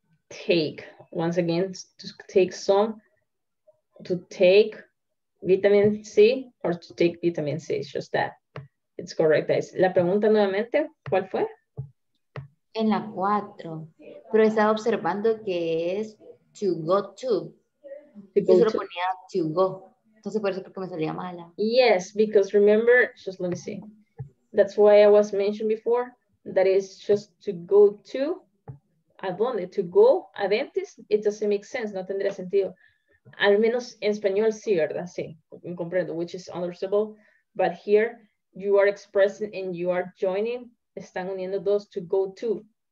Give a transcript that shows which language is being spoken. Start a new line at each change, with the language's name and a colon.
English: Take, once again, to take some, to take vitamin C, or to take vitamin C, it's just that. It's correct, guys.
Spanish: La pregunta nuevamente, ¿cuál fue? En la 4, pero estaba observando que es to go to. Yo solo ponía to go, entonces por eso creo que me salía mala.
English: Yes, because remember, just let me see. That's why I was mentioned before, that is just to go to. Adonde, to go a dentist, it doesn't make sense,
Spanish: no tendría sentido. Al menos en español sí, ¿verdad? Sí, comprendo,
English: which is understandable. But here, you are expressing and you are joining,
Spanish: están uniendo dos,
English: to go to.